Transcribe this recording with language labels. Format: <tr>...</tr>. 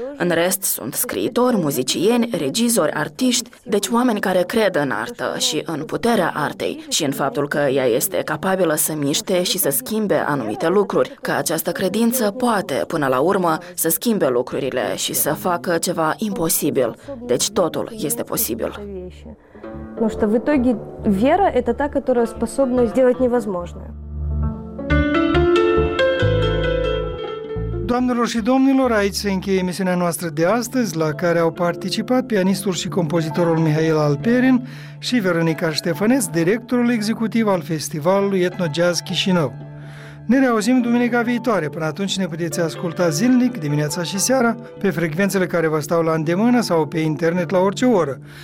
<ro>În rest sunt scriitori, muzicieni, regizori, artiști, deci oameni care cred în artă și în puterea artei și în faptul că ea este capabilă să miște și să schimbe anumite lucruri, că această credință poate, până la urmă, să schimbe lucrurile și să facă ceva imposibil. Deci totul este posibil.</ro> <ru>Потому что в итоге вера – это та, которая способна сделать невозможное.</ru> <ro>Doamnelor și domnilor, aici se încheie emisiunea noastră de astăzi, la care au participat pianistul și compozitorul Mihail Alperin și Veronica Ștefăneț, directorul executiv al festivalului Etno Jazz Chișinău. Ne reauzim duminica viitoare. Până atunci ne puteți asculta zilnic, dimineața și seara, pe frecvențele care vă stau la îndemână sau pe internet la orice oră.</ro>